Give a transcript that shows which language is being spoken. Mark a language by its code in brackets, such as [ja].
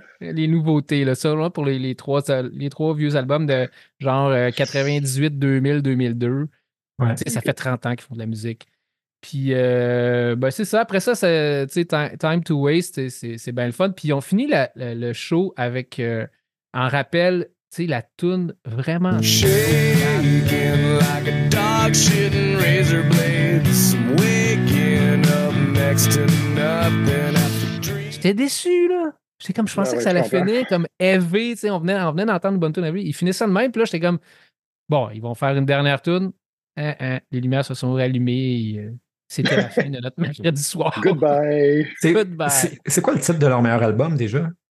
[fr] Les nouveautés, là. Ça, là, pour les trois vieux albums de genre 98, 2000, 2002. Ouais. T'sais, ça fait 30 ans qu'ils font de la musique. Puis, ben c'est ça. Après ça, Time to Waste, c'est bien le fun. Puis, ils ont fini le show avec, en rappel, tu sais, la toune vraiment. [en] Shaking like a dog shitting razor blades. Waking up next to nothing after dream. [fr] J'étais déçu, là. J'étais comme, je pensais que ça allait finir comme heavy. Tu sais, on venait d'entendre une bonne toune. Ils finissaient de même. Puis là, j'étais comme, bon, ils vont faire une dernière toune. Les lumières se sont rallumées. C'était la fin de notre mercredi soir. [en] Goodbye. [fr] C'est quoi le titre de leur meilleur album déjà?